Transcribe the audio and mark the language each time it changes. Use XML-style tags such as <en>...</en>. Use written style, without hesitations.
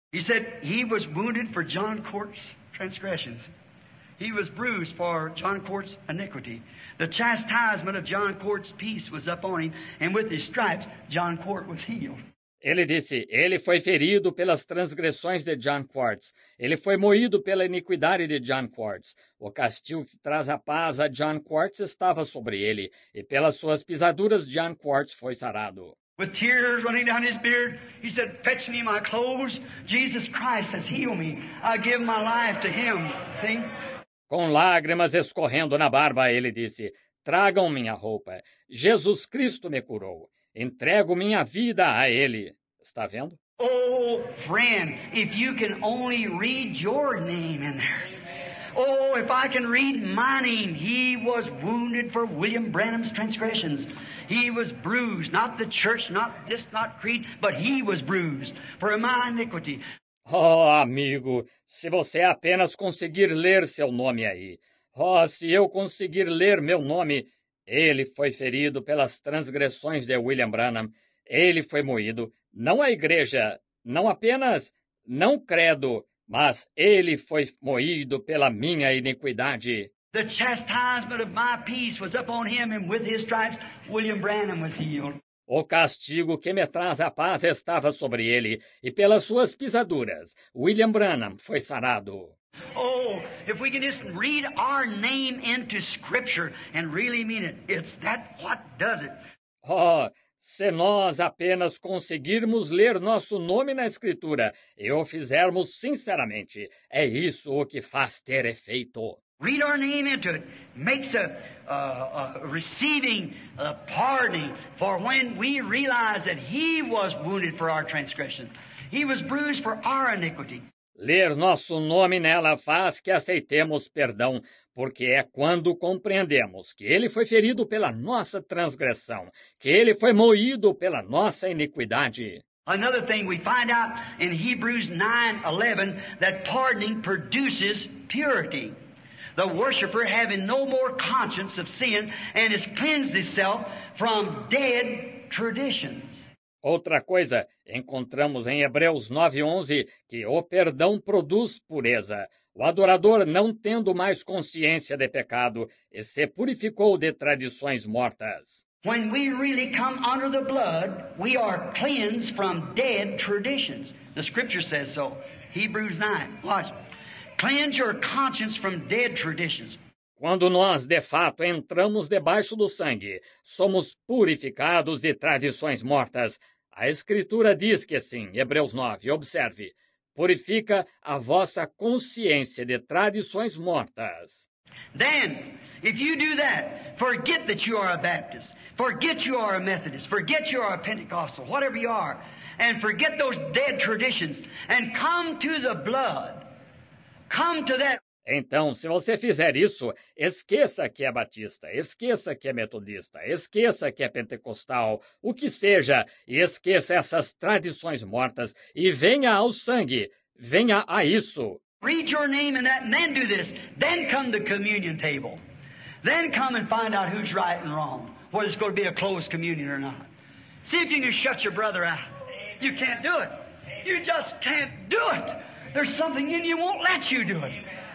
<en>He said he was wounded for John Court's transgressions. He was bruised for John Court's iniquity. The chastisement of John Court's peace was upon him, and with his stripes, John Court was healed.</en> <pt>Ele disse, ele foi ferido pelas transgressões de John Quartz. Ele foi moído pela iniquidade de John Quartz. O castigo que traz a paz a John Quartz estava sobre ele. E pelas suas pisaduras, John Quartz foi sarado.</pt> <en>With tears running down his beard, he said, fetch me my clothes. Jesus Christ has healed me. I give my life to him. See?</en> <pt>Com lágrimas escorrendo na barba, ele disse, tragam minha roupa. Jesus Cristo me curou. Entrego minha vida a ele. Está vendo?</pt> <en>Oh, friend, if you can only read your name in there. Oh, if I can read my name. He was wounded for William Branham's transgressions. He was bruised, not the church, not this, not creed, but he was bruised for my iniquity.</en> <pt>Oh, amigo, se você apenas conseguir ler seu nome aí. Oh, se eu conseguir ler meu nome... Ele foi ferido pelas transgressões de William Branham. Ele foi moído, não a igreja, não apenas, não credo, mas ele foi moído pela minha iniquidade.</pt> <en>The chastisement of my peace was upon him, and with his stripes, William Branham was healed.</en> <pt>O castigo que me traz a paz estava sobre ele, e pelas suas pisaduras, William Branham foi sarado.</pt> <en>Oh, if we can just read our name into Scripture and really mean it, it's that what does it.</en> <pt>Oh, se nós apenas conseguirmos ler nosso nome na Escritura e o fizermos sinceramente, é isso o que faz ter efeito.</pt> <en>Read our name into it makes a receiving a pardon for when we realize that he was wounded for our transgression. He was bruised for our iniquity.</en> <pt>Ler nosso nome nela faz que aceitemos perdão, porque é quando compreendemos que ele foi ferido pela nossa transgressão, que ele foi moído pela nossa iniquidade.</pt> <en>Another thing we find out in Hebrews 9:11 that pardoning produces purity. The worshiper having no more conscience of sin and has cleansed himself from dead traditions.</en> <pt>Outra coisa, encontramos em Hebreus 9:11 que o perdão produz pureza. O adorador, não tendo mais consciência de pecado, e se purificou de tradições mortas.</pt> <en>When we really come under the blood, we are cleansed from dead traditions. The scripture says so. Hebrews 9. Watch. Cleanse your conscience from dead traditions.</en> <pt>Quando nós, de fato, entramos debaixo do sangue, somos purificados de tradições mortas. A Escritura diz que sim, Hebreus 9, observe, purifica a vossa consciência de tradições mortas.</pt> <en>Then, if you do that, forget that you are a Baptist, forget you are a Methodist, forget you are a Pentecostal, whatever you are, and forget those dead traditions, and come to the blood, come to that.</en> <pt>Então, se você fizer isso, esqueça que é batista, esqueça que é metodista, esqueça que é pentecostal, o que seja, e esqueça essas tradições mortas, e venha ao sangue, venha a isso.</pt> <en>Read your name in that, and then do this. Then come to the communion table. Then come and find out who's right and wrong, whether it's going to be a closed communion or not. See if you can shut your brother out. You can't do it. You just can't do it. There's something in you won't let you do it.</en>